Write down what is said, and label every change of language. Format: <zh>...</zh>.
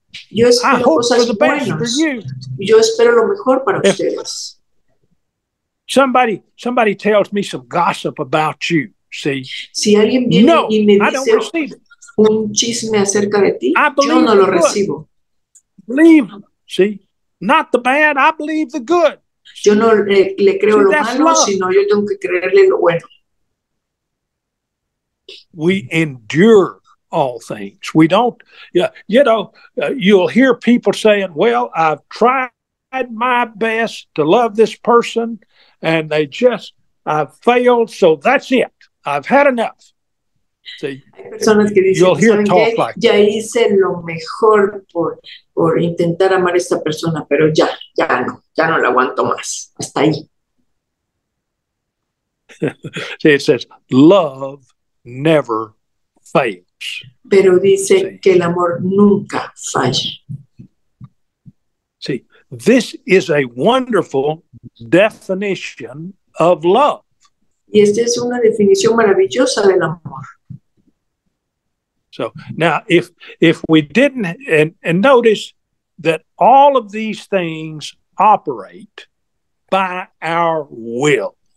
<es>Yo espero cosas buenas.</es> <en>For you.</en> <es>Yo espero lo mejor para ustedes.</es> <en>Somebody tells me some gossip about you. See,</en> <es>si alguien viene no, y me dice un chisme acerca de ti, yo no lo recibo.</es> <en>Believe, see, not the bad, I believe the good.</en> <es>Yo no le creo lo malo, sino yo tengo que creerle lo bueno.</es> <en>We endure all things. We don't, you know, you'll hear people saying, well, I've tried my best to love this person and they just, I've failed, so that's it. I've had enough. See,</en> <es>personas que dicen,</es> <en>you'll hear talk like that.</en> <es>Ya hice lo mejor por intentar amar a esta persona, pero ya no la aguanto más. Hasta ahí.</es> <en>See, it says, love never fails.</en> <es>Pero dice que el amor nunca falla.</es> <en>See, this is a wonderful definition of love.</en> <es>Y esta es una definición maravillosa del amor.</es> <en>So, now, if we didn't, and notice that all of these things operate by our will.</en>